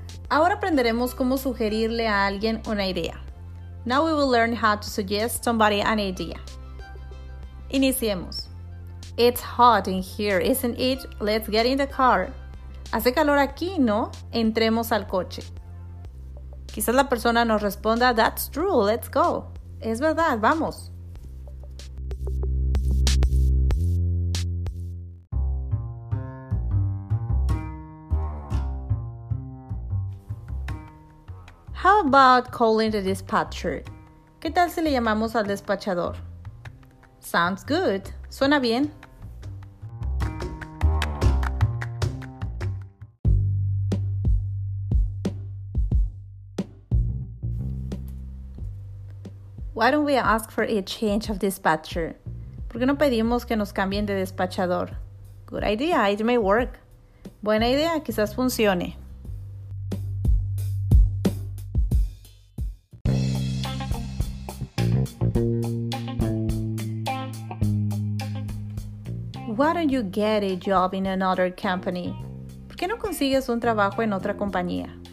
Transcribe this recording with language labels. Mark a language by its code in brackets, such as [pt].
[es] Ahora aprenderemos cómo sugerirle a alguien una idea. [en] Now we will learn how to suggest somebody an idea. [es] Iniciemos. [en] It's hot in here, isn't it? Let's get in the car. [es] Hace calor aquí, ¿no? Entremos al coche. Quizás la persona nos responda, [en] that's true, let's go. [es] Es verdad, vamos. [en] How about calling the dispatcher? [es] ¿Qué tal si le llamamos al despachador? [en] Sounds good. [es] Suena bien. [en] Why don't we ask for a change of dispatcher? [es] ¿Por qué no pedimos que nos cambien de despachador? [en] Good idea, it may work. [es] Buena idea, quizás funcione. [en] Why don't you get a job in another company? [es] ¿Por qué no consigues un trabajo en otra compañía?